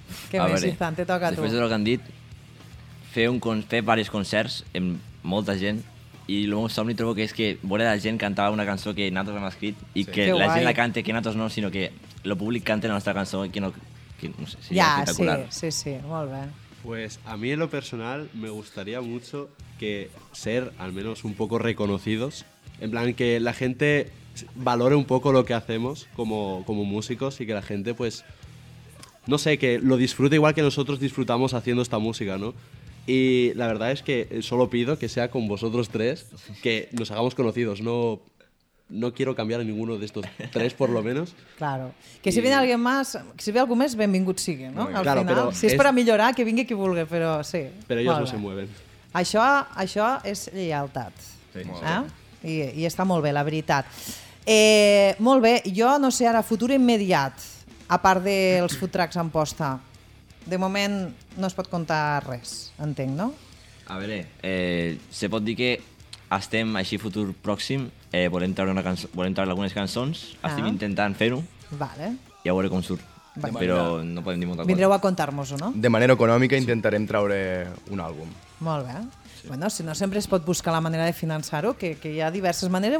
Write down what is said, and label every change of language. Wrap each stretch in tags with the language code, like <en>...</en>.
<ca>Què més, Izan, te toca a tu. Després del que han dit, fer diversos concerts amb molta gent, i el meu somni trobo que és que veure la gent cantar una cançó que nosaltres hem escrit i sí, que la gent la cante, que nosaltres no, sinó que el públic canta la nostra cançó i que no... Que, no sé, ja, espectacular. Sí, sí, sí, molt bé.</ca> <es>Pues a mí en lo personal me gustaría mucho que ser al menos un poco reconocidos, en plan que la gente valore un poco lo que hacemos como músicos y que la gente pues, no sé, que lo disfrute igual que nosotros disfrutamos haciendo esta música, ¿no? Y la verdad es que solo pido que sea con vosotros tres, que nos hagamos conocidos, ¿no? No quiero cambiar a ninguno de estos tres, por lo menos. Claro. Que si viene alguien más, si ve algo más, bienvenido sigue, ¿no? Al claro, final. Si es para mejorar, que venga quien vulgue, pero sí. Pero ellos no se mueven.</es> <ca>Això</ca> <es>es lealtad. Sí, muy bien. Y está muy bien, la verdad. Muy bien, yo no sé ahora, futuro inmediato, aparte de los food trucks en posta, de momento no se puede contar res, entiendo, ¿no? A ver, se puede decir que</es> <ca>estem així futur pròxim, volem treure algunes cançons, estem intentant fer-ho, vale. I a veure com surt, però no podem dir molta cosa. Vindreu a contar-nos-ho, no? De manera econòmica intentarem treure un àlbum. Molt bé. Sí. Bueno, si no, sempre es pot buscar la manera de finançar-ho, que hi ha diverses maneres.</ca>